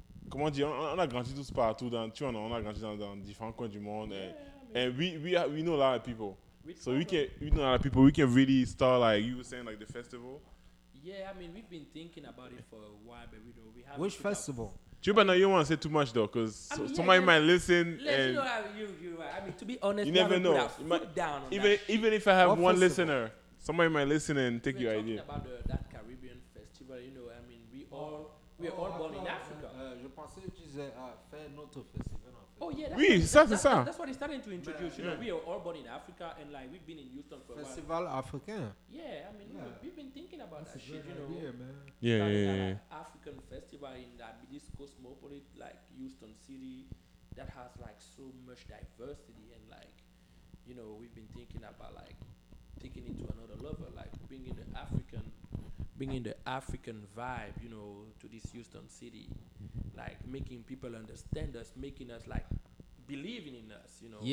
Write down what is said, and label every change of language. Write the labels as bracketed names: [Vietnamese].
[French] Comment dire, on a grandi tous partout, on a grandi dans différents coins du monde. [English] And we know a lot of people. We can really start, like, you were saying, like, the festival. Yeah, I mean, we've been thinking about it for a while, but we haven't. Which festival? Chuba, you don't want to say too much, though, because somebody might listen. Let's know how you are. I mean, to be honest, you never know. Even if I have what one listener, somebody might listen and take we're your idea. About that Caribbean festival, you know, I mean, we're all born in Africa. [French] Je pensais que tu disais faire notre festival. [English] Oh, yeah. That's what he's starting to introduce. Yeah. You know, we are all born in Africa, and like we've been in Houston for festival a while. [French] Festival Africain. [English] Yeah, I mean, yeah. We've been thinking about that's that shit, you know. Idea, man. Yeah. African festival in this cosmopolitan, like, Houston City that has, like, so much diversity, and, like, you know, we've been thinking about, like, taking it to another level, like, bringing the African vibe, you know, to this Houston City, like making people understand us, making us like believing in us, you know.